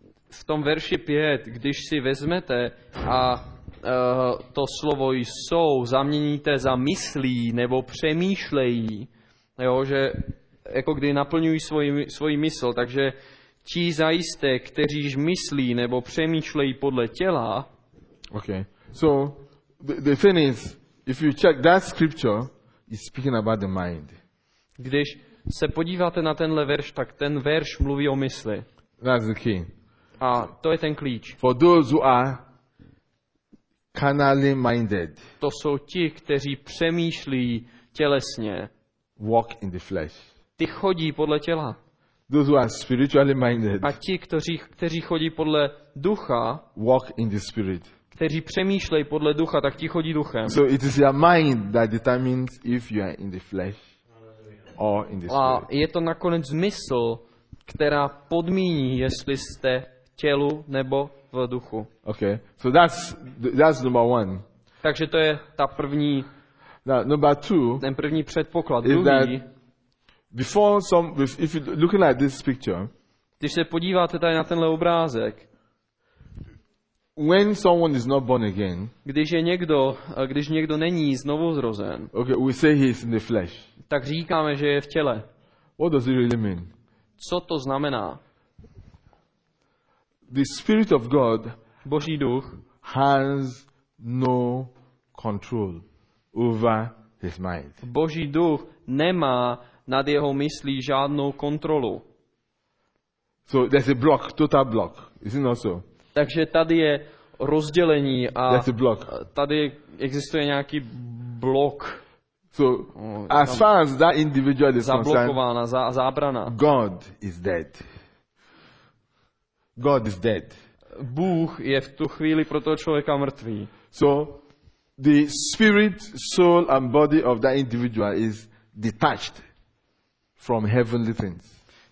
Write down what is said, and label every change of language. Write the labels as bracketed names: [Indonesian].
[Czech] V tom verši 5, když si vezmete a to slovo jsou, zaměníte za myslí nebo přemýšlejí, jo, že jako kdy naplňují svoji mysl, takže ti zajisté, kteříž myslí nebo přemýšlejí podle těla. [English] Okay. So the thing is, if you check that scripture, it's speaking about the mind. [Czech] Když se podíváte na tenhle verš, tak ten verš mluví o mysli. [English] That's the key. [Czech] A to je ten klíč. [English] For those who are carnally minded. [Czech] To jsou ti, kteří přemýšlí tělesně. [English] Walk in the flesh. [Czech] Ty chodí podle těla. [English] Those who are spiritually minded. [Czech] A ti, kteří chodí podle ducha. [English] Walk in the spirit. [Czech] Kteří přemýšlejí podle ducha, tak ti chodí duchem. [English] So it is your mind that determines if you are in the flesh or in the spirit. [Czech] A je to nakonec mysl, která podmíní, jestli jste v tělu nebo v duchu. [English] Okay. So that's number one. [Czech] Takže to je ta první. [English] Now, number two. [Czech] Ten první předpoklad. [English] If you're looking at this picture. [Czech] Když se podíváte tady na tenhle obrázek. [English] When someone is not born again. [Czech] Když někdo není znovu zrozen. [English] Okay, we say he's in the flesh. [Czech] Tak říkáme, že je v těle. [English] What does it really mean? [Czech] Co to znamená? [English] The Spirit of God, [Czech] Boží duch, [English] has no control over his mind. [Czech] Boží duch nemá nad jeho myslí žádnou kontrolu. [English] So there's a block, total block, isn't it also? [Czech] Takže tady je rozdělení a [English] block. [Czech] Tady existuje nějaký blok. [English] So as far as that individual is concerned, [Czech] zablokována, zábrana. [English] God is dead. God is dead. [Czech] Bůh je v tu chvíli pro toho člověka mrtvý. [English] So the spirit, soul and body of that individual is detached from heavenly things.